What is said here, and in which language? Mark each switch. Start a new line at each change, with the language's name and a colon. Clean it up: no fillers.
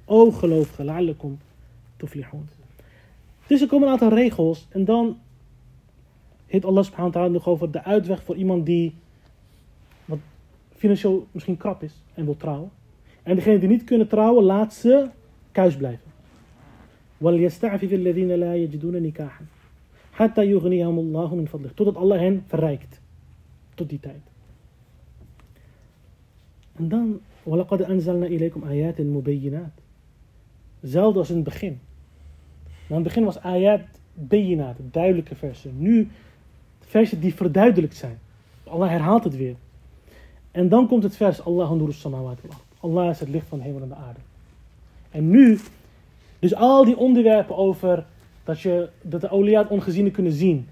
Dutch: O gelovigen,
Arabic: لَعَلَّكُمْ تُفْلِحُونَ.
Dutch: Dus er komen een aantal regels en dan heet Allah subhanahu wa ta'ala nog over de uitweg voor iemand die financieel misschien krap is en wil trouwen. En degene die niet kunnen trouwen, laat ze kuis blijven.
Arabic: وَلْيَسْتَعْفِفِ الَّذِينَ لَا يَجِدُونَ نِكَاحًا حَتَّى يُغْنِيَهُمُ اللَّهُ مِنْ فَضْلِهِ.
Dutch: Totdat Allah hen verrijkt. Tot die tijd. En dan
Arabic: وَلَقَدْ أَنْزَلْنَا إِلَيْكُمْ آيَاتٍ مُبَيِّنَاتٍ.
Dutch: Zelfde als in het begin. Maar in het begin was ayat bayyinat, duidelijke versen. Nu versen die verduidelijkt zijn. Allah herhaalt het weer. En dan komt het vers, Allah is het licht van de hemel en de aarde. En nu, dus al die onderwerpen over dat de awliya het ongeziene kunnen zien.